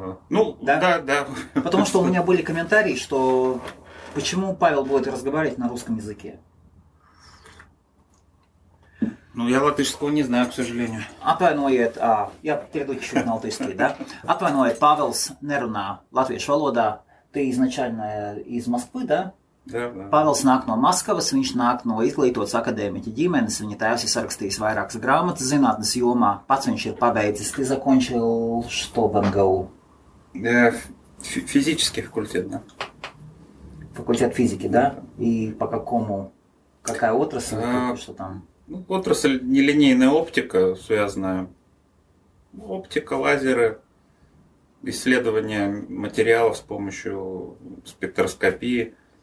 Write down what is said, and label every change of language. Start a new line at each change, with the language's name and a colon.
Russian: Ну, да, да, да. Потому что у меня были комментарии, что почему Павел будет разговаривать на русском языке. Ну, я латышского не знаю, к сожалению.
Latvian: Atvainojiet,
Russian: я перейду чуть-чуть на латышский, да?
Latvian: Atvainojiet, Pavels neruna latviešu valodā.
Russian: Ты изначально из Москвы, да? Да.
Latvian: Pavels nāk no Maskavas, viņš nāk no izglītotas akadēmiķa ģimenes, viņa tēvs ir sarakstījis vairākas grāmatas zinātnes jomā. Pats viņš ir pabeidzis,
Russian: ты закончил что в МГУ? Физический факультет, да. Факультет физики, да? И по какому? Какая отрасль? Что там? Ну, отрасль нелинейная оптика, связанная. Оптика, лазеры, исследование материалов с помощью спектроскопии.